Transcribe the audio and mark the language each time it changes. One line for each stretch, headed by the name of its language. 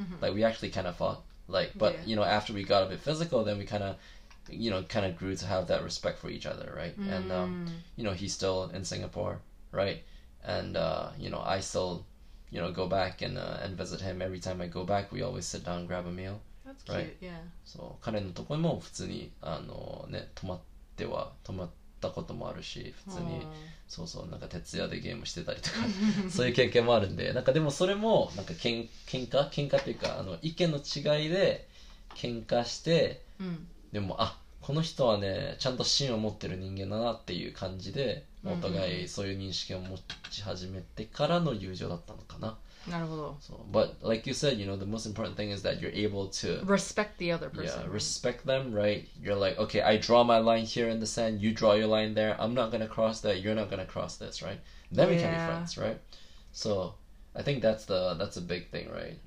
English: Like, we actually kind of fought, like, but, you know, after we got a bit physical, then we kind ofYou know, kind of grew to have that respect for each other, right? And, you know, he's still in Singapore, right? And, you know, I still, you know, go back and visit him. Every time I go back, we always sit down and grab a meal. That's cute, right? Yeah.
Japanese: So, 彼のところも普通に、あのね、泊まっては、泊まったこともあるし、普通に、そうそう、なんか徹夜でゲームしてたりとか、そういう経験もあるんで、なんかでもそれも、なんか喧嘩っていうか、あの、意見の違いで喧嘩して、でもあこの人はねちゃんと芯を持ってる人間だなっていう感じでお互いそういう認識を持ち始めてからの友情だったのかな。なるほど。
English: So, but like you said, you know, the most important thing is that you're able to respect the other person. Yeah, respect them, right? You're like, okay, I draw my line here in the sand, you draw your line there, I'm not gonna cross that, you're not gonna cross this, right? Then we can be friends, right? So I think that's a big thing, right?